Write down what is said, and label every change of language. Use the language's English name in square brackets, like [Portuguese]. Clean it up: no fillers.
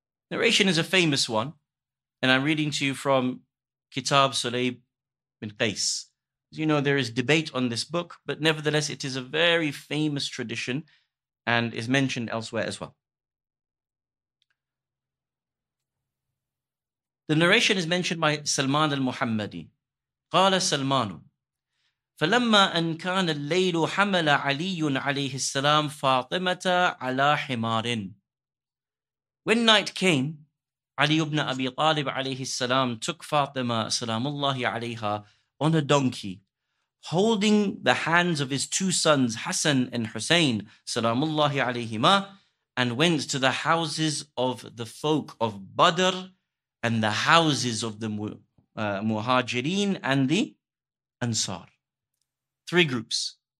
[English] Narration is a famous one, and I'm reading to you from Kitab Sulayb bin Qais. As you know, there is debate on this book, but nevertheless, it is a very famous tradition and is mentioned elsewhere as well. The narration is mentioned by Salman al-Muhammadi. [Arabic] Qala Salmanu, فَلَمَّا أَنْ كَانَ اللَّيْلُ حَمَلَ عَلِيٌّ عَلَيْهِ السَّلَامُ فَاطِمَةَ عَلَى حِمَارٍ. [English] When night came, Ali ibn Abi Talib alayhi salam took Fatima salamullahi alayha on a donkey, holding the hands of his two sons, Hassan and Hussein, salamullahi alayhima, and went to the houses of the folk of Badr and the houses of the Muhajireen and the Ansar. Three groups.